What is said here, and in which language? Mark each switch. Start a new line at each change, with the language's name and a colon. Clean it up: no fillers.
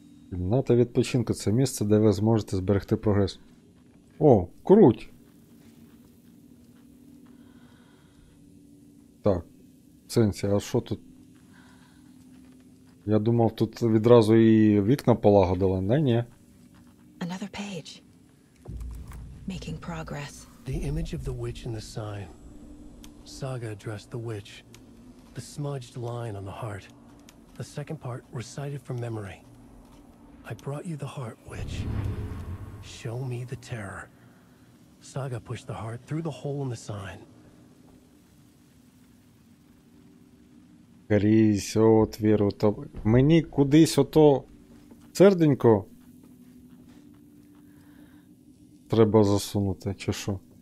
Ukrainian: Кімната відпочинку – це місце, де ви зможете зберегти прогрес. О, круть! Так, Сенсі, а що тут? Я думав, тут відразу і вікна полагодили. Не, ні.
English: Another page. Making progress. The image of the witch in the sign. Saga addressed the witch. The smudged line on the heart. The second part recited from memory. I brought you the heart, witch. Show me the terror. Saga pushed the heart through the hole in the sign.
Ukrainian: Крізь отвіру, то мені кудись ото серденько треба засунути, чи що?